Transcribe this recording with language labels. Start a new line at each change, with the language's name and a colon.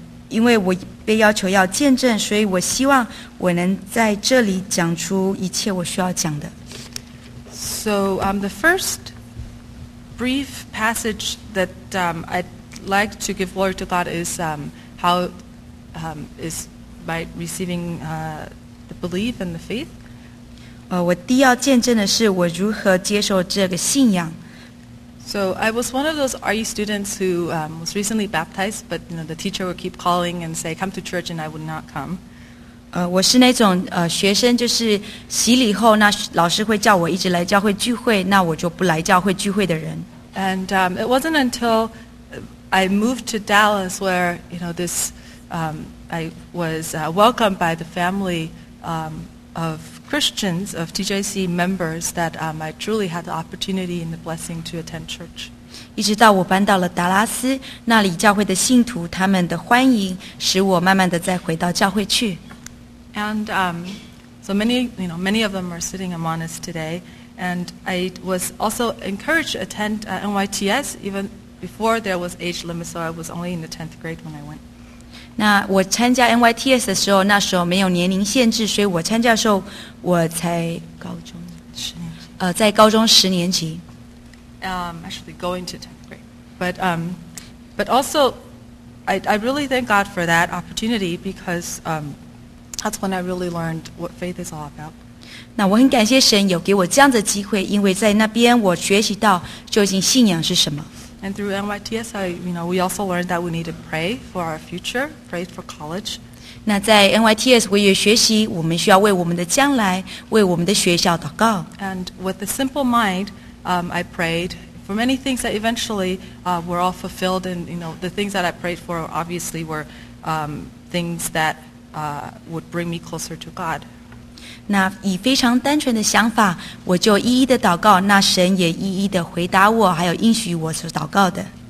Chinese: 因为我被要求要见证，所以我希望我能在这里讲出一切我需要讲的。
English: So the first brief passage that I'd like to give glory to God is how is by receiving the belief and the faith.
Chinese: 我第一要见证的是我如何接受这个信仰。
English: So I was one of those RE students who was recently baptized, but you know, the teacher would keep calling and say, come to church, and I would not come.
Chinese: 我是那种学生，就是洗礼后，那老师会叫我一直来教会聚会，那我就不来教会聚会的人。
English: And it wasn't until I moved to Dallas where, you know, this, I was welcomed by the family of Christians, of TJC members, that I truly had the opportunity and the blessing to attend church.
Chinese: 一直到我搬到了达拉斯，那里教会的信徒，他们的欢迎，使我慢慢地再回到教会去。
English: And so many, you know, many of them are sitting among us today. And I was also encouraged to attend NYTS even before there was age limit, so I was only in the 10th grade when I went.
Chinese: 那我参加 NYTS 的时候，那时候没有年龄限制，所以我参加的时候我才高中十年级。在高中十年级。
English: Actually going to 10th grade. But also, I really thank God for that opportunity because that's when I really learned what faith is all about.
Chinese: 那我很感谢神有给我这样的机会，因为在那边我学习到究竟信仰是什么。
English: And through NYTS, we also learned that we need to pray for our future, pray for college.
Chinese: 那在 NYTS, 我也学习我们需要为我们的将来，为我们的学校祷告。
English: And with a simple mind, I prayed for many things that eventually were all fulfilled. And, you know, the things that I prayed for obviously were things that would bring me closer to God.
Chinese: 那以非常单纯的想法，我就一一的祷告，那神也一一的回答我，还有应许我所祷告的。